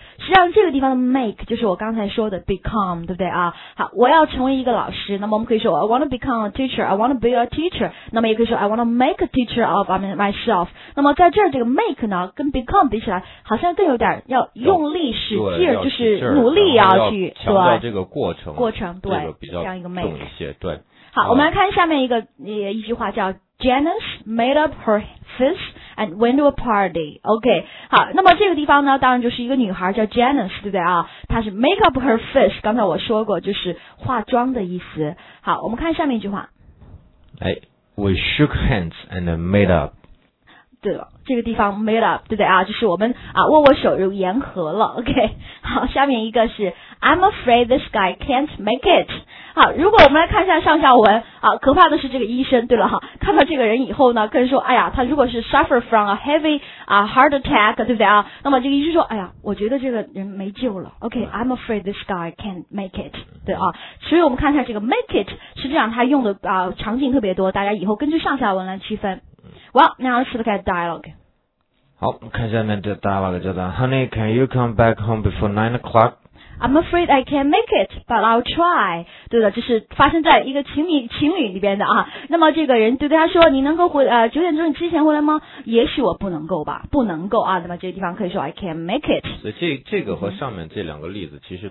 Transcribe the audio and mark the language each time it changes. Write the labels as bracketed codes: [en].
[zh] 实际上这个地方的 make 就是我刚才说的 become， 对不对啊？好，我要成为一个老师，那么我们可以说 [en] I want to become a teacher， I want to be a teacher， [zh] 那么也可以说 [en] I want to make a teacher of myself。 [zh] 那么在这儿这个 make 呢跟 become 比起来好像更有点要用力使劲，就是努力要去强调这个过程，对，这个比较这样一个 make 重一些。对，好，我们来看下面一句话，叫 [en] Janice made up her fist and went to a party。 [zh] OK， 好，那么这个地方呢当然就是一个女孩叫 Janice， 对不对啊？她是 [en] make up her fist， [zh] 刚才我说过就是化妆的意思。好，我们看下面一句话， [en] 哎， We shook hands and made up。 [zh] 对了，这个地方 [en] made up， [zh] 对不对啊？就是我们啊握握手就言和了。 [en] OK， [zh] 好，下面一个是 [en] I'm afraid this guy can't make it。 [zh] 好，如果我们来看一下上下文啊，可怕的是这个医生，对了哈，看到这个人以后呢，跟人说，哎呀，他如果是 [en] suffer from a heavy heart attack， [zh] 对不对啊？那么这个医生说，哎呀，我觉得这个人没救了。 [en] OK， I'm afraid this guy can't make it， [zh] 对啊。所以我们看一下这个 [en] make it， [zh] 实际上他用的啊场景特别多，大家以后根据上下文来区分。 [en] Well, now let's look at dialogue. [zh] 好，看下面的 [en] dialogue [zh] 叫做 [en] ，Honey, can you come back home before 9 o'clock? I'm afraid I can't make it, but I'll try. [zh] 对的，就是发生在一个情侣里边的啊。那么这个人就跟他说，你能够九点钟之前回来吗？也许我不能够吧，不能够啊。那么这个地方可以说 [en] I can't make it。 [zh] 所以这个和上面这两个例子其实